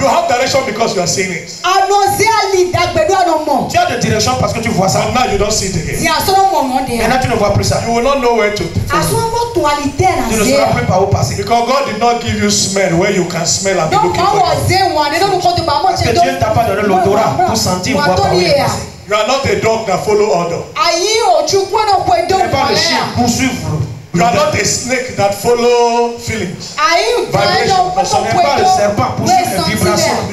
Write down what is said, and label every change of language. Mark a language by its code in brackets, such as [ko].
[en] You have direction because you are seeing it. [fr] Tu as de direction parce que tu vois ça. [en] But now you don't see it again. [fr] Maintenant tu ne vois plus ça. [en] You will not know where to. [fr] Tu ne seras plus par où passer. [en] Because God did not give you smell where you can smell and be looking for it. [fr] Parce que Dieu ne t'a pas donné l'odorat pour sentir voir par où il passe. [en] You are not a dog that follow order. [fr] Tu n'es pas le chien pour suivre. [en] You are not a snake that follow feelings. Vibrations. [fr] Tu n'es pas le serpent pour suivre les vibrations.